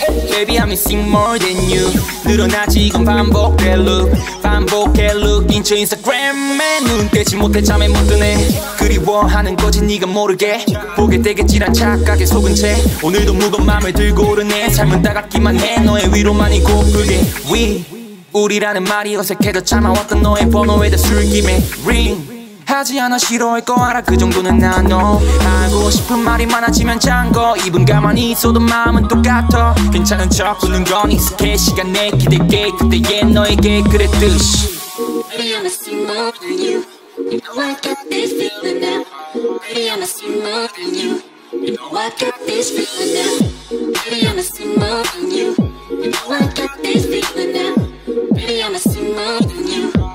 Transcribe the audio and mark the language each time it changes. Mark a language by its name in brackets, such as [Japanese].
[English] Baby, I'm missing more than you. [Korean] 늘어나지 이건 반복해 look, 반복해 look. 인처 인스타그램에 눈 떼지 못해 잠에 못 드네. 그리워하는 거지 네가 모르게 보게 되겠지란 착각에 속은 채 오늘도 무거운 맘을 들고 오르네. 삶은 따갑기만 해 너의 위로만이 고프게. We 우리라는 말이 어색해도 참아왔던 너의 번호에 다 술김에 ring. 하지 않아 싫어할 거 알아 그 정도는 I know. 하고 싶은 말이 많아지면 잠궈. 입은 가만히 있어도 마음은 똑같아. 괜찮은 척 웃는 건 익숙해. 시간 내 기댈게 그때의 너에게 그랬듯이. [English] Baby I'm missing more than you. You know I got this feeling now. Baby I'm missing more than you. You know I got this feeling now. Baby I'm missing more than you. You know I got this feeling now. Baby I'm missing more than you.